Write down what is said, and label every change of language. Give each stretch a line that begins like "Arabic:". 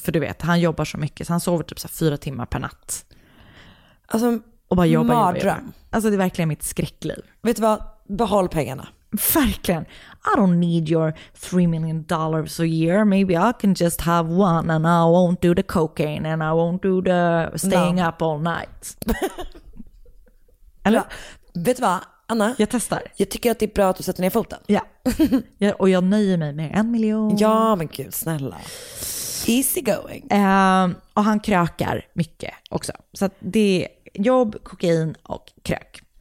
Swedish: För du vet, han jobbar så mycket så han sover typ så här 4 timmar per natt. Alltså, och bara jobbar. Alltså, det är verkligen mitt skräckliv. Vet du vad? Behåll pengarna. Verkligen.
English: I don't need your $3 million a year. Maybe I can just have one and I won't do the cocaine and I won't do the staying up all night.
Swedish: Eller? Ja. Vet du vad, Anna? Jag testar. Jag tycker att det är bra att du sätter ner foten. Ja. Ja, och jag nöjer mig med 1 miljon. Ja, men gud, snälla.
English: Easy going.
Swedish: Och han krökar mycket också. Så att det är jobb, kokain och krök.